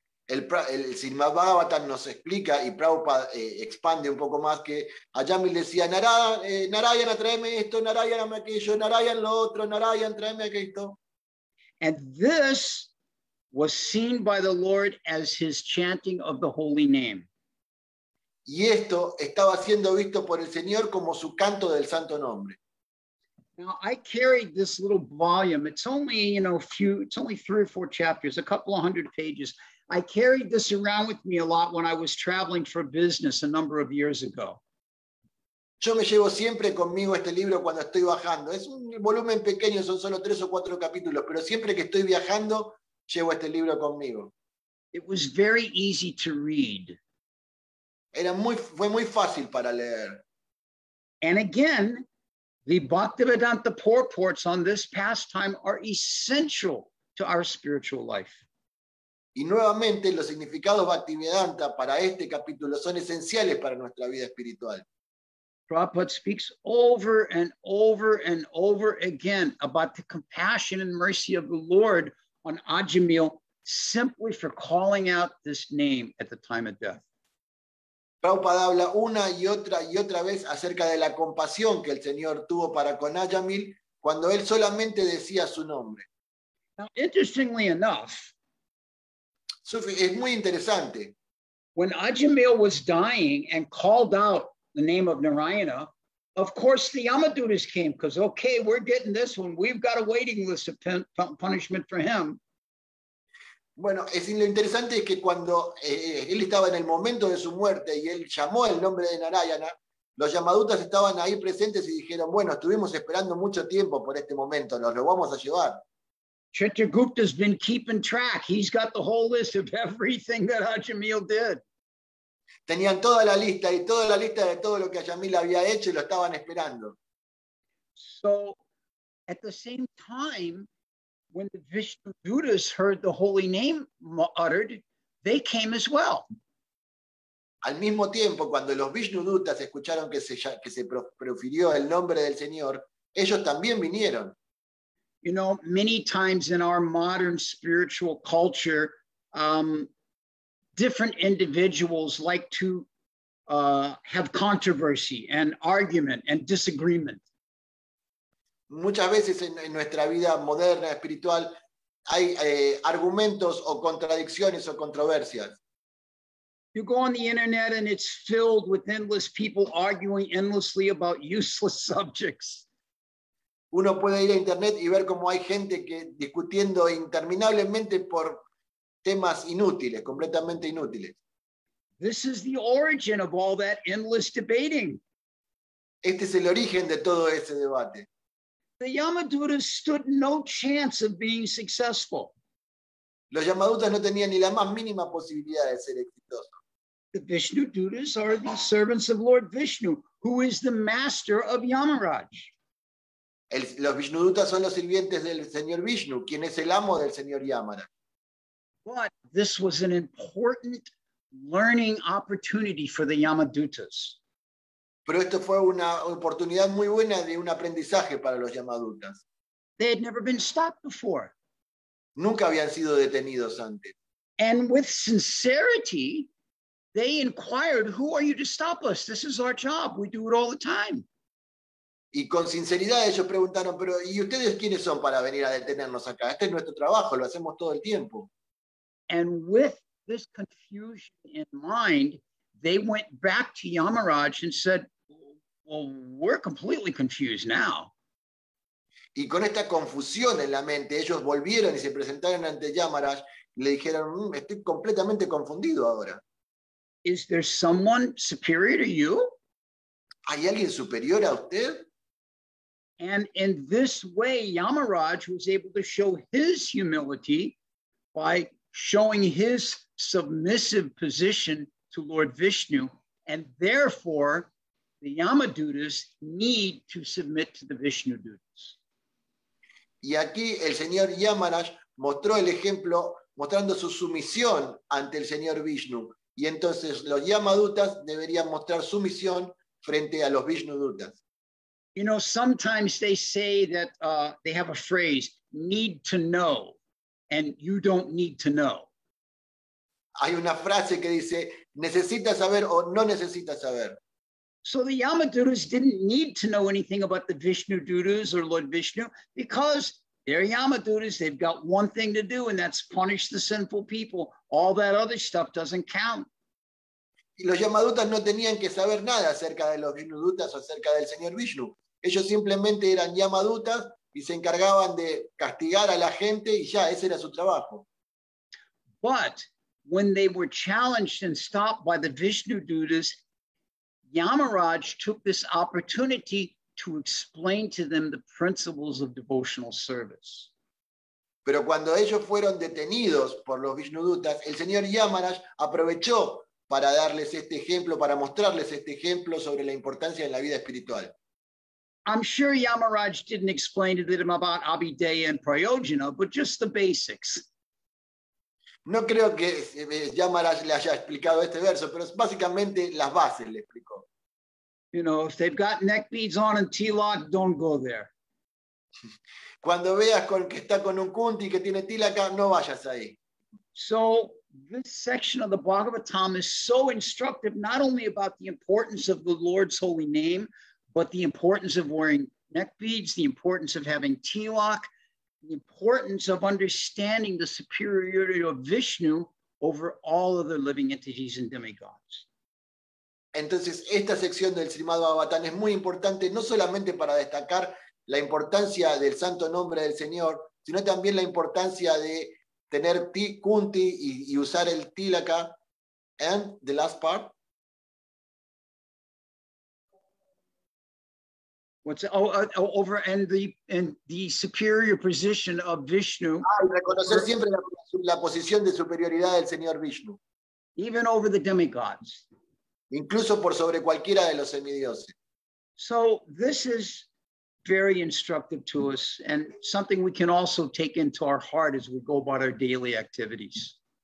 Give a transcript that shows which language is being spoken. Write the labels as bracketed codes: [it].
[es] El Srimad Bhagavatam nos explica y Prabhupada expande un poco más que Ayamil decía Narayana, tráeme esto, Narayana, aquello, Narayana, lo otro, Narayana, tráeme aquello. [en] And this was seen by the Lord as his chanting of the holy name. [es] Y esto estaba siendo visto por el Señor como su canto del santo nombre. [en] Now, I carried this little volume. It's only, you know, three or four chapters, a couple of hundred pages. I carried this around with me a lot when I was traveling for business a number of years ago. [es] Yo me llevo siempre conmigo este libro cuando estoy viajando. Es un volumen pequeño, son solo tres o cuatro capítulos, pero siempre que estoy viajando, llevo este libro conmigo. [en] It was very easy to read. [es] Fue muy fácil para leer. [en] And again, the Bhaktivedanta purports on this pastime are essential to our spiritual life. [es] Y nuevamente los significados Bhaktivedanta para este capítulo son esenciales para nuestra vida espiritual. [en] Prabhupada speaks over and over and over again about the compassion and mercy of the Lord on Ajamil simply for calling out this name at the time of death. [es] Prabhupada habla una y otra vez acerca de la compasión que el Señor tuvo para con Ajamil cuando él solamente decía su nombre. [en] Now, interestingly enough, [es] es muy interesante. [en] When Ajamil was dying and called out the name of Narayana, Of course, the Yamadutas came because, okay, we're getting this one. We've got a waiting list of punishment for him. [es] Bueno, es lo interesante es que cuando él estaba en el momento de su muerte y él llamó el nombre de Narayana, los Yamadutas estaban ahí presentes y dijeron, bueno, estuvimos esperando mucho tiempo por este momento, nos lo vamos a llevar. [en] Chitragupta's been keeping track. He's got the whole list of everything that Ajamil did. [es] Tenían toda la lista y toda la lista de todo lo que Ajamil había hecho y lo estaban esperando. [en] So, at the same time, when the Vishnudutas heard the holy name uttered, they came as well. [es] Al mismo tiempo, cuando los Vishnudutas escucharon que se profirió el nombre del Señor, ellos también vinieron. [en] You know, many times in our modern spiritual culture, different individuals like to have controversy and argument and disagreement. [es] Muchas veces en nuestra vida moderna espiritual hay argumentos o contradicciones o controversias. [en] You go on the internet and it's filled with endless people arguing endlessly about useless subjects. [es] Uno puede ir a internet y ver cómo hay gente que discutiendo interminablemente por temas inútiles, completamente inútiles. [en] This is the origin of all that endless debating. [es] Este es el origen de todo ese debate. [en] The Yamadutas stood no chance of being successful. [es] Los Yamadutas no tenían ni la más mínima posibilidad de ser exitosos. [en] The Vishnudutas are the servants of Lord Vishnu, who is the master of Yamaraj. [es] Los Vishnudutas son los sirvientes del señor Vishnu, quien es el amo del señor Yamara. [en] But this was an important learning opportunity for the Yamadutas. [es] Pero esto fue una oportunidad muy buena de un aprendizaje para los Yamadutas. [en] They had never been stopped before. [es] Nunca habían sido detenidos antes. [en] And with sincerity, they inquired, "Who are you to stop us? This is our job. We do it all the time." [es] Y con sinceridad ellos preguntaron, pero ¿y ustedes quiénes son para venir a detenernos acá? Este es nuestro trabajo, lo hacemos todo el tiempo. [en] And with this confusion in mind, they went back to Yamaraj and said, well, we're completely confused now. [es] Y con esta confusión en la mente, ellos volvieron y se presentaron ante Yamaraj y le dijeron, estoy completamente confundido ahora. [en] Is there someone superior to you? [es] ¿Hay alguien superior a usted? [en] And in this way, Yamaraj was able to show his humility by showing his submissive position to Lord Vishnu. And therefore, the Yamadutas need to submit to the Vishnudutas. [es] Y aquí el señor Yamaraj mostró el ejemplo, mostrando su sumisión ante el señor Vishnu. Y entonces los Yamadutas deberían mostrar sumisión frente a los Vishnudutas. [en] You know, sometimes they say that they have a phrase, need to know, and you don't need to know. [es] Hay una frase que dice, necesitas saber o no necesitas saber. [en] So the Yamadutas didn't need to know anything about the Vishnudutas or Lord Vishnu, because they're Yamadutas, they've got one thing to do, and that's punish the sinful people. All that other stuff doesn't count. [es] Y los Yamadutas no tenían que saber nada acerca de los Vishnudutas o acerca del señor Vishnu. Ellos simplemente eran Yamadutas y se encargaban de castigar a la gente y ya, ese era su trabajo. [en] But when they were challenged and stopped by the Vishnudutas, Yamaraj took this opportunity to explain to them the principles of devotional service. [es] Pero cuando ellos fueron detenidos por los Vishnudutas, el señor Yamaraj aprovechó para darles este ejemplo, para mostrarles este ejemplo sobre la importancia en la vida espiritual. [en] I'm sure Yamaraj didn't explain to them about Abhideya and Prayojana, but just the basics. [es] No creo que Yamaraj le haya explicado este verso, pero básicamente las bases le explicó. [en] You know, if they've got neck beads on and tilak, don't go there. [es] Cuando veas que está con un kunti y que tiene tilaka, no vayas ahí. [en] So, this section of the Bhagavatam is so instructive, not only about the importance of the Lord's holy name, but the importance of wearing neck beads, the importance of having tilak, the importance of understanding the superiority of Vishnu over all other living entities and demigods. [es] Entonces, esta sección del Srimad Bhagavatam es muy importante, no solamente para destacar la importancia del santo nombre del Señor, sino también la importancia de tener ti, Kunti, y usar el Tilaka. [en] And the last part. And the superior position of Vishnu. [es] Reconocer siempre la posición de superioridad del Señor Vishnu. [en] Even over the demigods. [es] Incluso por sobre cualquiera de los semidioses. [en] So this is very instructive to us and something we can also take into our heart as we go about our daily activities.